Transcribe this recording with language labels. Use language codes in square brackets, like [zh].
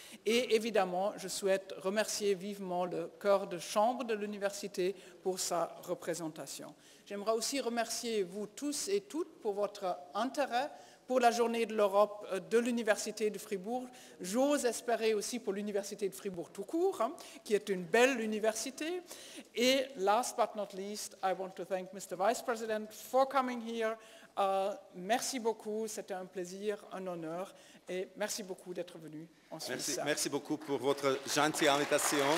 [fr] Et évidemment, je souhaite remercier vivement le chœur de chambre de l'université pour sa représentation. J'aimerais aussi remercier vous tous et toutes pour votre intérêt pour la journée de l'Europe de l'Université de Fribourg. J'ose espérer aussi pour l'Université de Fribourg tout court, hein, qui est une belle université. [en] Et last but not least, I want to thank Mr. Vice President for coming here. [fr] Merci beaucoup, c'était un plaisir, un honneur, et merci beaucoup d'être venu en Suisse. Merci beaucoup pour votre gentille invitation.